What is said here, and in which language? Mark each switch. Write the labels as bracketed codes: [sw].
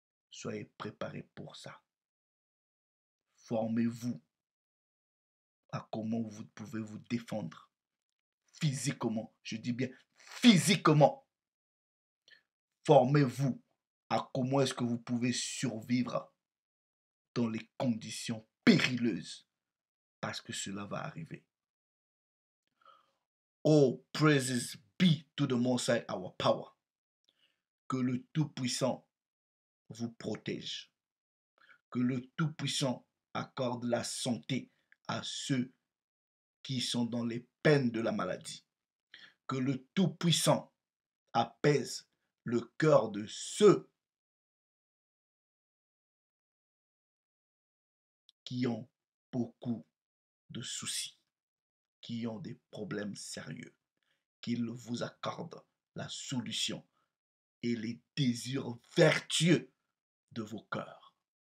[fr] Soyez préparés pour ça. Formez-vous à comment vous pouvez vous défendre physiquement. Je dis bien physiquement. Formez-vous à comment est-ce que vous pouvez survivre dans les conditions périlleuses. Parce que cela va arriver. [en] Oh, praises be to the Most High, our power. [fr] Que le Tout-Puissant vous protège. Que le Tout-Puissant accorde la santé à ceux qui sont dans les peines de la maladie. Que le Tout-Puissant apaise le cœur de ceux qui ont beaucoup de soucis, qui ont des problèmes sérieux, qu'il vous accorde la solution et les désirs vertueux de vos cœurs,